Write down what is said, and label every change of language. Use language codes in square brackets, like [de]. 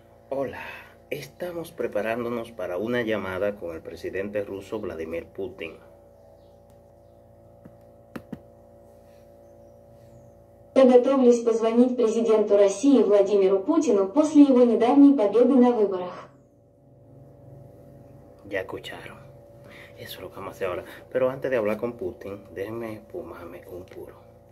[es] Hola, estamos preparándonos para una llamada con el presidente ruso Vladimir Putin. [ru] Готовлюсь позвонить президенту России Владимиру Путину после его недавней победы на выборах. [es] Ya escucharon. Eso es lo que vamos a hacer ahora. Pero antes de hablar con Putin, déjeme fumarme un puro.